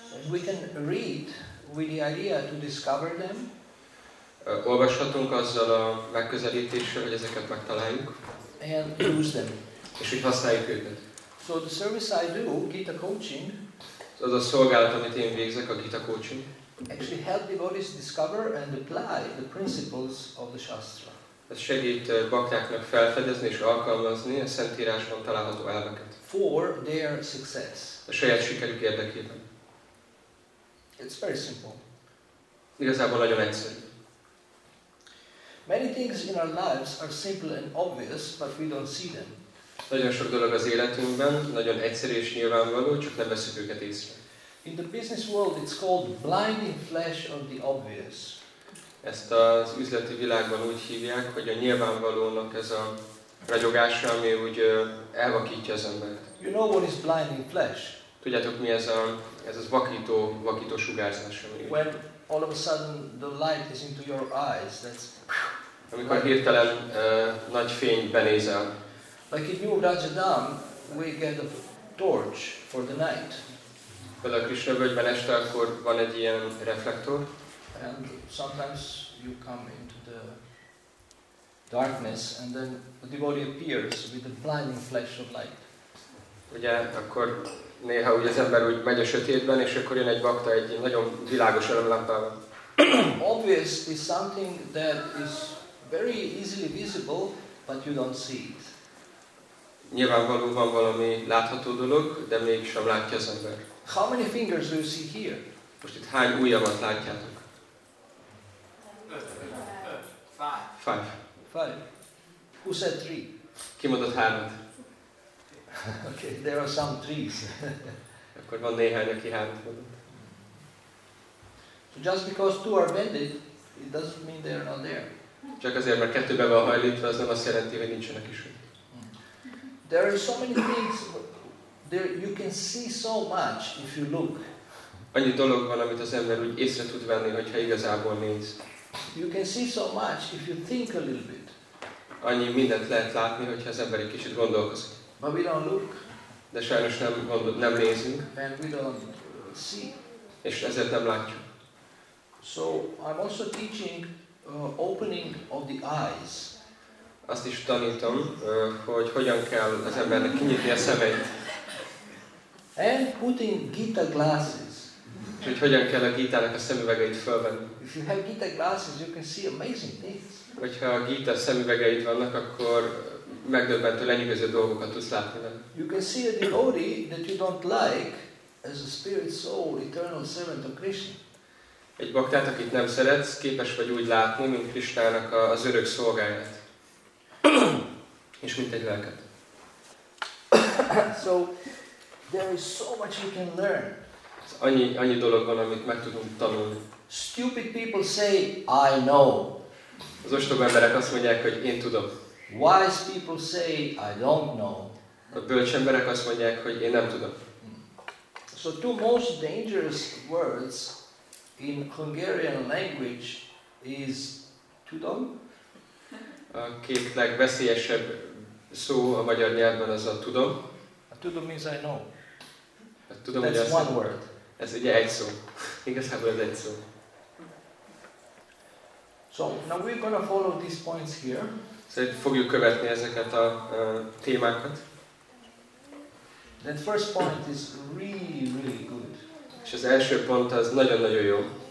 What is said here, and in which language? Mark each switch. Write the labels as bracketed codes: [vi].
[en] We can read with the idea to discover them. [hu] Olvashatunk azzal a megközelítéssel, hogy ezeket megtaláljuk. [en] And use them. [hu] És hogy használjuk őket. [en] So the service I do, Gita coaching. [hu] Az a szolgálat, amit én végzek, a Gita coaching. [en] Actually help devotees discover and apply the principles of the Shastra. [hu] Ez segít baktáknak felfedezni és alkalmazni a szentírásban található elveket. [en] For their success. [hu] A saját sikerük érdekében. [en] It's very simple. [hu] Igazából nagyon egyszerű. [en] Many things in our lives are simple and obvious, but we don't see them. [hu] Nagyon sok dolog az életünkben, nagyon egyszerű és nyilvánvaló, csak nem veszük őket észre. [en] In the business world it's called blinding flash of the obvious. [hu] Ezt az üzleti világban úgy hívják, hogy a nyilvánvalónak ez a ragyogása, ami úgy elvakítja az embert. [en] You know what is blinding flash? [hu] Tudjátok mi ez az vakító sugárzás, ami úgy. [en] When all of a sudden the light is into your eyes, that's... [hu] Amikor hirtelen nagy fény benézel. [en] Like in New Rajadam, we get a torch for the night. [hu] Például a Krishna völgyben este akkor van egy ilyen reflektor. [en] And sometimes you come into the darkness and then the devotee appears with a blinding flash of light. [hu] Ugye akkor néha ugye az ember úgy megy a sötétben, és akkor jön egy bakta egy nagyon világos örömlámpával. [en] Obvious is something that is very easily visible, but you don't see it. [hu] Nyilvánvaló van valami látható dolog, de mégsem látja az ember. [en] How many fingers do you see here? [hu] Most itt hány ujjamat látjátok? [en] Five. Who said three? [hu] Ki mondott hármat? [en] Okay, there are some trees. [hu] Akkor van néhány, aki hármat mondott. [en] So just because two are bended, It doesn't mean they are not there. [hu] Csak azért, mert kettőbe van hajlítva, az nem azt jelenti, hogy nincsenek is. [en] There are so many things there you can see so much if you look. [hu] Annyi dolog van, amit az ember úgy észre tud venni, hogyha igazából néz. [en] You can see so much if you think a little bit. [hu] Annyi mindent lehet látni, hogyha az ember egy kicsit gondolkozik. [en] But we don't look. [hu] De sajnos nem nézünk. [en] And we don't see. [hu] És ezért nem látjuk. [en] So I'm also teaching opening of the eyes. [hu] Azt is tanítom, hogy hogyan kell az embernek kinyitni a szemeit. [en] And putting Gita glasses. [hu] És hogy hogyan kell a Gita-nak a szemüvegeit fölvenni. [en] If you have Gita glasses, you can see amazing things. [hu] Hogyha a Gita szemüvegeid vannak, akkor megdöbbentő, lenyűgöző dolgokat tudsz látni. [en] You can see a devotee that you don't like as a spirit soul, eternal servant of Krishna. [hu] Egy baktát, akit nem szeretsz, képes vagy úgy látni, mint Krisnának az örök szolgáját. És mint egy lelket. [en] So there is so much you can learn. [hu] Annyi dolog van, amit meg tudunk tanulni. [en] Stupid people say I know. [hu] Az ostoba emberek azt mondják, hogy én tudom. [en] Wise people say I don't know. [hu] A bölcs emberek azt mondják, hogy én nem tudom. [en] So two most dangerous words in Hungarian language is tudom. [hu] A két legveszélyesebb szó a magyar nyelvben az a tudom. [en] A tudom means I know. [hu] A tudom, [en] that's one word. [hu] Ez ugye egy szó. Igazából ez egy szó. [en] So, now we're going to follow these points here. [hu] Szóval fogjuk követni ezeket a témákat. [en] That first point is really, really good. [hu] És az első pont az nagyon-nagyon jó.